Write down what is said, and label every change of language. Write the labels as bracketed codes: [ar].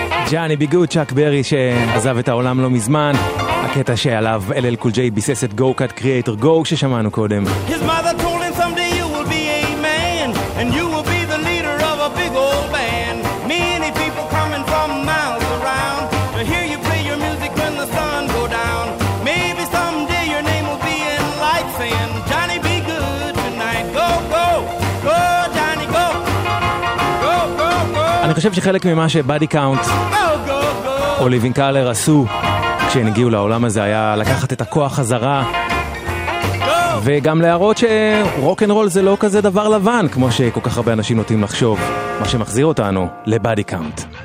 [he] ג'אני ביגוד, צ'אק ברי שעזב את העולם לא מזמן. הקטע שעליו LL Cool J ביסס את Go Cut Creator Go ששמענו קודם. [en] His mother told him someday you will be a man and you will be the leader of a big old band. Many people coming from miles around to hear you play your music when the sun go down. Maybe someday your name will be in lights and Johnny be good tonight. Go go go Johnny go. Go go go. [he] אני חושב שחלק ממה שבאדי קאונט או ליבין קלר עשו כשהן הגיעו לעולם הזה היה לקחת את הכוח חזרה וגם להראות שרוק אנד רול זה לא כזה דבר לבן כמו שכל כך הרבה אנשים נוטים לחשוב, מה שמחזיר אותנו לבאדי קאונט.